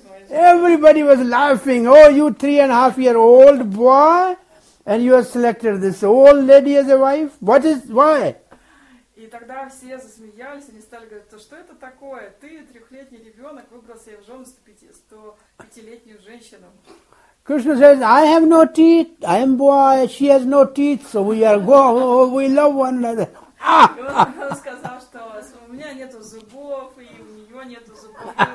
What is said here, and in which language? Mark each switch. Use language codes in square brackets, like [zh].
[en] Everybody was laughing. Oh, you 3.5-year-old boy, and you have selected this old lady as a wife. What is why? [ru] И тогда все засмеялись, они стали говорить, что это такое? Ты 3-летний ребенок выбрал себе в жены 105-летнюю женщину. [en] Krishna says, I have no teeth. I am boy. She has no teeth. So we are go. We love one another. [ru] Он сказал, что у меня нету зубов и у нее нету зубов.